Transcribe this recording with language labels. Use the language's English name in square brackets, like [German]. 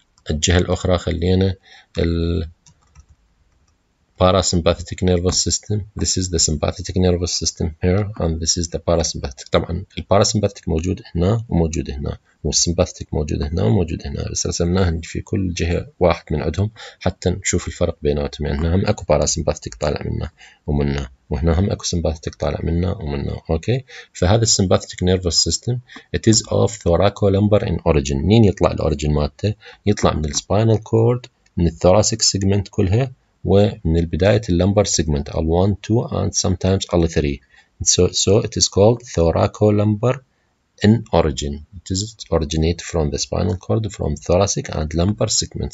[Arabic] الجهة الأخرى خلينا الباراسيمباثيك نيرفوس سيستم. [English] This is the sympathetic nervous system here and this is the parasympathetic. [Arabic] طبعا الباراسيمباثيك موجود هنا وموجود هنا, والسيمباثيك موجود هنا وموجود هنا, بس رسمناه في كل جهة واحد من عندهم حتى نشوف الفرق بيناتهم. يعني هم أكو باراسيمباثيك طالع منا ومنا, وهنا هم أكو سيمباثيك طالع منا ومنا. [English] Okay, فهذا السيمباثيك nervous system it is of thoracolumbar in origin. [Arabic] منين يطلع الأوريجين مالته؟ يطلع من السباينال كورد, من الثوراسيك سيجمنت كلها, ومن البداية اللمبر سيجمنت L1, 2 and sometimes L3. [English] So it is called thoracolumbar in origin. It is originate from the spinal cord, from thoracic and lumbar segment.